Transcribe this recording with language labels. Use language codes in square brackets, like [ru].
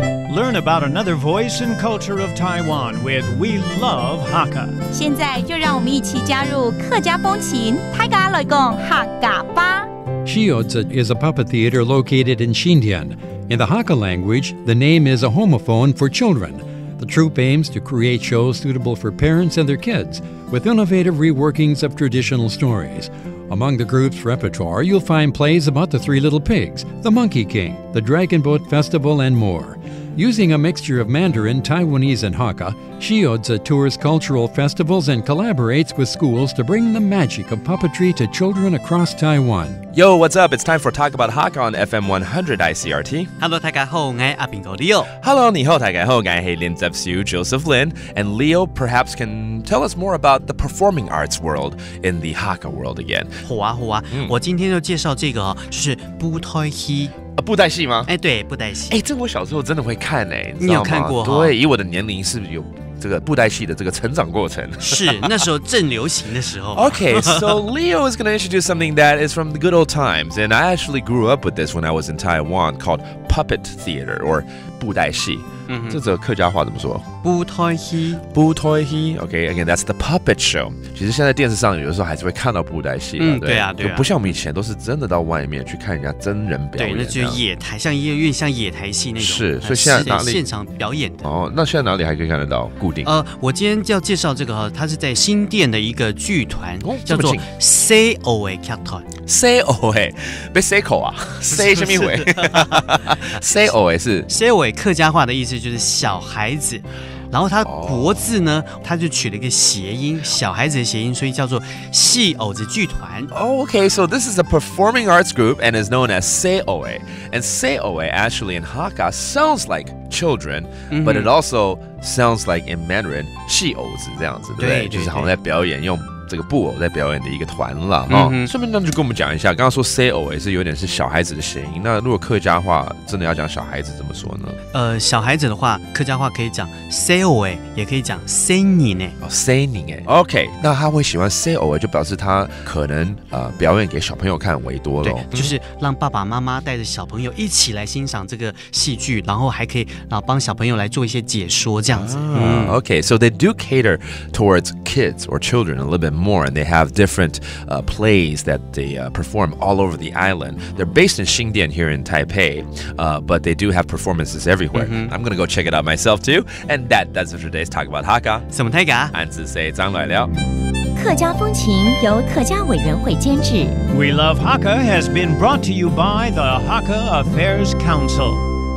[en] learn about another voice and culture of Taiwan with We Love Hakka. [zh] 现在就让我们一起加入客家风情，泰嘎来讲客家吧。 [en] Shiozi is a puppet theater located in Xintian. In the Hakka language, the name is a homophone for children. The troupe aims to create shows suitable for parents and their kids, with innovative reworkings of traditional stories. Among the group's repertoire, you'll find plays about the Three Little Pigs, the Monkey King, the Dragon Boat Festival, and more. Using a mixture of Mandarin, Taiwanese, and Hakka, Shiozi tours cultural festivals and collaborates with schools to bring the magic of puppetry to children across Taiwan. Yo, what's up? It's time for Talk About Hakka on FM 100 ICRT. [zh] Hello, 大家好，我是阿炳哥 Leo. Hello, 你好，大家好，我是 Lin Zepsiu, Joseph Lin. [en] And Leo perhaps can tell us more about the performing arts world in the Hakka world again. [zh] 好啊，好啊，我今天要介绍这个，就是布袋戏。啊，布袋戏吗？哎，对，布袋戏。哎，这我小时候真的会看哎，你有看过？对，以我的年龄是有这个布袋戏的这个成长过程。是那时候正流行的时候。 [en] Okay, so Leo is going to introduce something that is from the good old times, and I actually grew up with this when I was in Taiwan, called puppet theater or 布袋戏。 [zh] 这则客家话怎么说？布袋戏， [en] 布袋戏。Okay, again, that's the puppet show. [zh] 其实现在电视上有的时候还是会看到布袋戏的，对啊，对啊，不像我们以前都是真的到外面去看人家真人表演。对，那就是野台，像音乐院，像野台戏那种。是，所以现在哪里现场表演的？哦，那现在哪里还可以看得到固定？我今天要介绍这个，它是在新店的一个剧团，叫做 C O A 剧团。 C O A 被 C 口啊 ？C 什么鬼 ？C O A 是 C O A 客家话的意思。就是小孩子，然后他国字呢、oh. 他就取了一个谐音，小孩子的谐音，所以叫做戏偶子剧团。 [en] Okay, so this is a performing arts group and is known as Seoe. And Seoe actually in Hakka sounds like children, but it also sounds like in Mandarin [zh] 戏偶子这样子，对不对, 对, 对, 对，就是好像在表演，用这个布偶在表演的一个团了、顺便就跟我们讲一下，刚刚说 COA 是有点是小孩子的谐音，那如果客家话真的要讲小孩子怎么说呢？小孩子的话客家话可以讲 COA， 也可以讲 SENIN、 SENIN、OK， 那他会喜欢 COA 就表示他可能、表演给小朋友看为多了，对，就是让爸爸妈妈带着小朋友一起来欣赏这个戏剧，然后还可以然后帮小朋友来做一些解说这样子、 [en] OK， so they do cater towards kids or children a little bit more, and they have different plays that they perform all over the island. They're based in Xintian here in Taipei, but they do have performances everywhere. I'm gonna go check it out myself too. And that's for today's Talk About Hakka. [zh] 什么泰嘎？俺只说张来了。客家风情由客家委员会监制。 [en] We Love Hakka has been brought to you by the Hakka Affairs Council.